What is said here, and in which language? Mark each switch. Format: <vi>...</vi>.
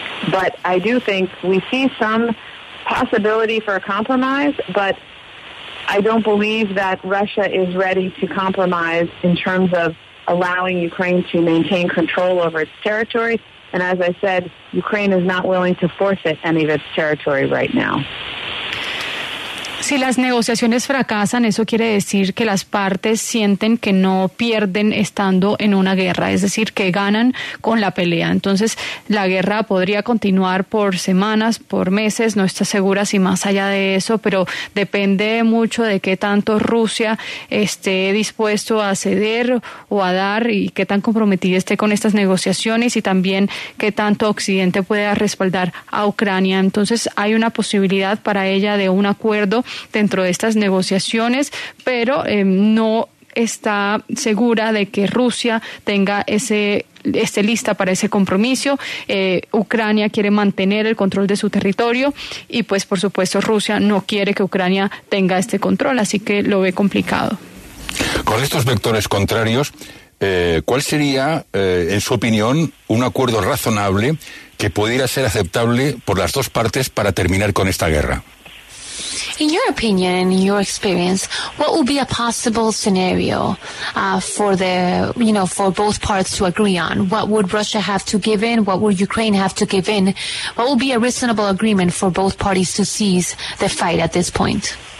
<en>But I do think we see some possibility for a compromise, but I don't believe that Russia is ready to compromise in terms of allowing Ukraine to maintain control over its territory. And as I said, Ukraine is not willing to forfeit any of its territory right now.</en> <es>Si las negociaciones fracasan, eso quiere decir que las partes sienten que no pierden estando en una guerra, es decir, que ganan con la pelea. Entonces, la guerra podría continuar por semanas, por meses, no está segura si más allá de eso, pero depende mucho de qué tanto Rusia esté dispuesto a ceder o a dar y qué tan comprometida esté con estas negociaciones y también qué tanto Occidente pueda respaldar a Ucrania. Entonces, hay una posibilidad para ella de un acuerdo dentro de estas negociaciones, pero no está segura de que Rusia tenga esté lista para ese compromiso. Ucrania quiere mantener el control de su territorio y pues por supuesto Rusia no quiere que Ucrania tenga este control, así que lo ve complicado. Con estos vectores contrarios, ¿cuál sería, en su opinión, un acuerdo razonable que pudiera ser aceptable por las dos partes para terminar con esta guerra?</es> <en>In your opinion, in your experience, what would be a possible scenario for both parts to agree on? What would Russia have to give in? What would Ukraine have to give in? What would be a reasonable agreement for both parties to cease the fight at this point?</en>